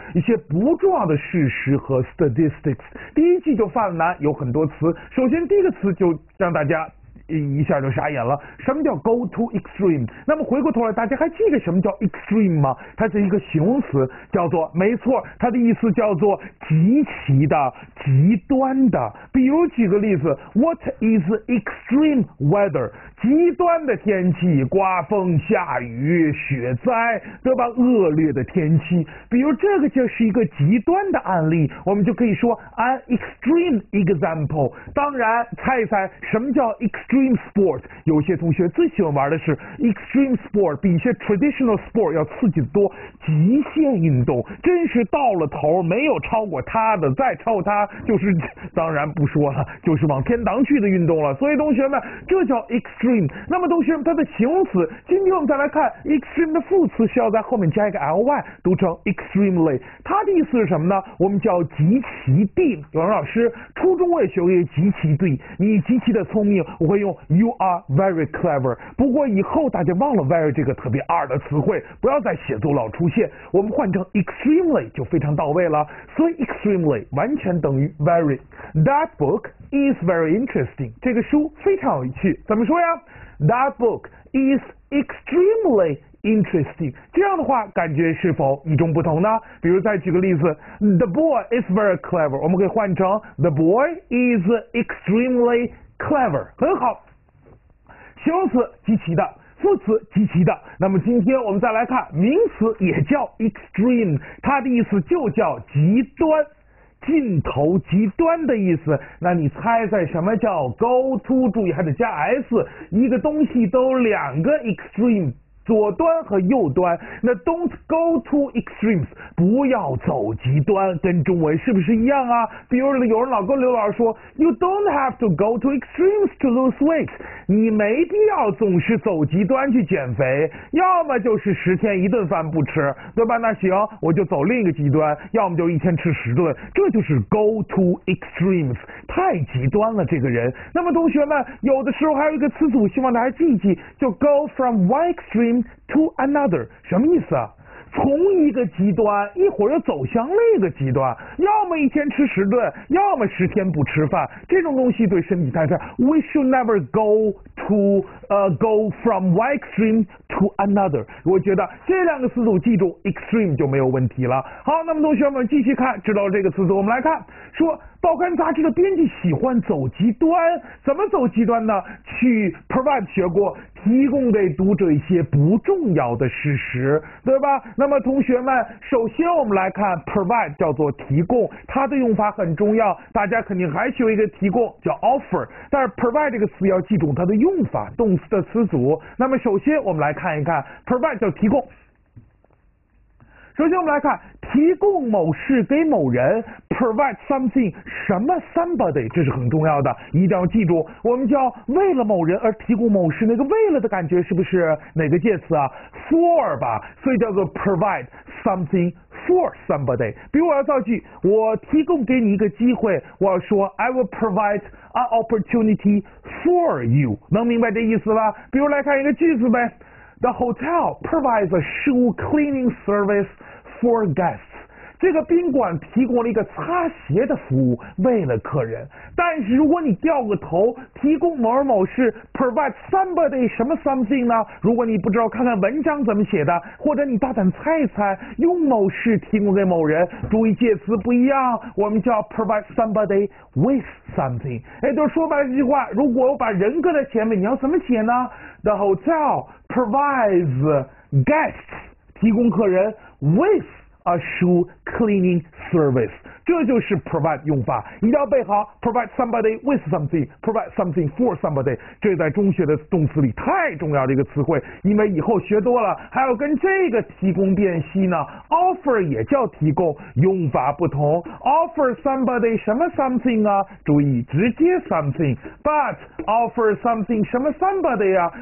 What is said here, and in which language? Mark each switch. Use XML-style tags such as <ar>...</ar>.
<zh>一些不重要的事实和 statistics。第一句就犯了难，有很多词，首先第一个词就让大家一下就傻眼了，什么叫</zh> <en>go to extreme？</en> <zh>那么回过头来，大家还记得什么叫 extreme 吗？它是一个形容词，叫做，没错，它的意思叫做极其的、极端的。</zh> <en>比如举个例子， What is extreme weather？</en> <zh>极端的天气，刮风、下雨、雪灾，对吧？恶劣的天气。比如这个就是一个极端的案例，我们就可以说</zh> <en>an extreme example。</en> <zh>当然猜一猜什么叫 extreme</zh> <en>extreme sport，</en> <zh>有些同学最喜欢玩的是 extreme sport， 比一些</zh> <en>traditional sport</en> <zh>要刺激多，极限运动，真是到了头没有超过他的，再超他就是，当然不说了，就是往天堂去的运动了。所以同学们，这叫 extreme。那么同学们，它的形容词，今天我们再来看 extreme 的副词需要在后面加一个 ly， 读成 extremely。它的意思是什么呢？我们叫极其地。有人老师，初中我也学过极其地，你极其的聪明，我会用</zh> <en>you are very clever。</en> <zh>不过以后大家忘了 very 这个特别二的词汇，不要在写作老出现，我们换成 extremely 就非常到位了。所以 extremely 完全等于 very。</zh> <en>That book is very interesting。</en> <zh>这个书非常有趣，怎么说呀？</zh> <en>That book is extremely interesting。</en> <zh>这样的话，感觉是否与众不同呢？比如再举个例子</zh> <en>，The boy is very clever。</en> <zh>我们可以换成</zh> <en>The boy is extremely clever。</en> <zh>很好，形容词极其的。副词极其的。那么今天我们再来看名词，也叫 extreme， 它的意思就叫极端，尽头极端的意思。那你猜猜什么叫</zh> <en>go to，</en> <zh>注意还得加 s， 一个东西都两个 extreme， 左端和右端，那</zh> <en>don't go to extremes，</en> <zh>不要走极端，跟中文是不是一样啊？比如有人老跟刘老师说</zh> <en>you don't have to go to extremes to lose weight，</en> <zh>你没必要总是走极端去减肥，要么就是十天一顿饭不吃，对吧？那行，我就走另一个极端，要么就一天吃十顿，这就是</zh> <en>go to extremes，</en> <zh>太极端了这个人。那么同学们，有的时候还有一个词组，希望大家记一记，就</zh> <en>go from one extreme to another，</en> <zh>什么意思啊？从一个极端一会儿又走向另一个极端，要么一天吃十顿，要么十天不吃饭，这种东西对身体太差。</zh> <en>We should never go to go from one extreme to another。</en> <zh>我觉得这两个词组记住 extreme 就没有问题了。好，那么同学们继续看，知道这个词组我们来看，说报刊杂志的编辑喜欢走极端，怎么走极端呢？去 provide 学过，提供给读者一些不重要的事实，对吧？那么同学们，首先我们来看 provide 叫做提供，它的用法很重要，大家肯定还学一个提供叫 offer， 但是 provide 这个词要记住它的用法，动词的词组。那么首先我们来看一看 provide 叫提供，首先我们来看提供某事给某人，</zh> <en>provide something</en> <zh>什么 somebody， 这是很重要的，一定要记住。我们叫为了某人而提供某事，那个为了的感觉是不是哪个介词啊？ for 吧，所以叫做</zh> <en>provide something for somebody。</en> <zh>比如我要造句，我提供给你一个机会，我要说</zh> <en>I will provide an opportunity for you，</en> <zh>能明白这意思吧？比如来看一个句子呗，</zh> <en>The hotel provides a shoe cleaning serviceFor guests，</en> <zh>这个宾馆提供了一个擦鞋的服务，为了客人。但是如果你掉个头，提供某某某事 provide somebody 什么 something 呢？如果你不知道，看看文章怎么写的，或者你大胆猜一猜，用某事提供给某人，注意介词不一样，我们叫</zh> <en>provide somebody with something。</en> <zh>哎，就说白了一句话，如果我把人搁在前面，你要怎么写呢？</zh> <en>The hotel provides guests，</en> <zh>提供客人。</zh> <en>With a shoe cleaning service，</en> <zh>这就是 provide 用法，一定要背好。</zh> <en>Provide somebody with something， provide something for somebody，</en> <zh>这在中学的动词里太重要的一个词汇，因为以后学多了，还要跟这个提供辨析呢。 Offer 也叫提供，用法不同。</zh> <en>Offer somebody</en> <zh>什么 something 啊？ 注意直接 something，</zh> <en>but offer something</en> <zh>什么 somebody 啊？</zh>